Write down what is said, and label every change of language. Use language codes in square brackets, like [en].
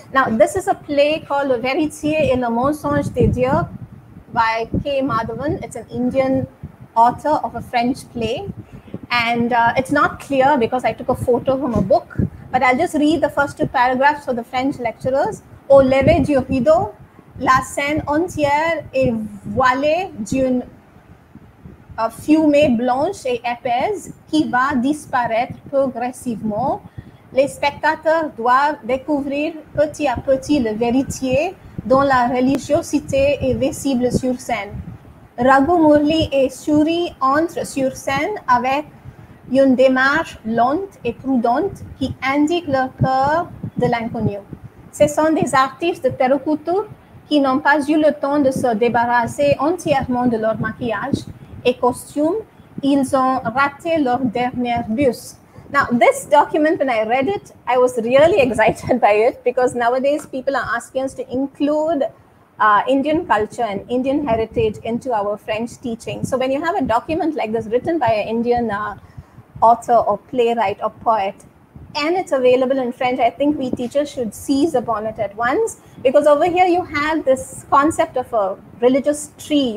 [en] Now, this is a play called Verithie et le mensonge des dieux by K. Madhavan. It's an Indian author of a French play. And it's not clear because I took a photo from a book, but I'll just read the first two paragraphs for the French lecturers. [fr] Au lever du rideau, la scène entière est voilée d'une fumée blanche et épaisse qui va disparaître progressivement. Les spectateurs doivent découvrir petit à petit le véritier dont la religiosité est visible sur scène. Raghu Murli et Suri entrent sur scène avec une démarche lente et prudente qui indique leur peur de l'inconnu. Ce sont des artistes de Terukuttur qui n'ont pas eu le temps de se débarrasser entièrement de leur maquillage et costume. Ils ont raté leur dernier bus. [en] Now, this document, when I read it, I was really excited by it because nowadays people are asking us to include Indian culture and Indian heritage into our French teaching. So when you have a document like this written by an Indian author or playwright or poet, and it's available in French, I think we teachers should seize upon it at once, because over here you have this concept of a religious tree.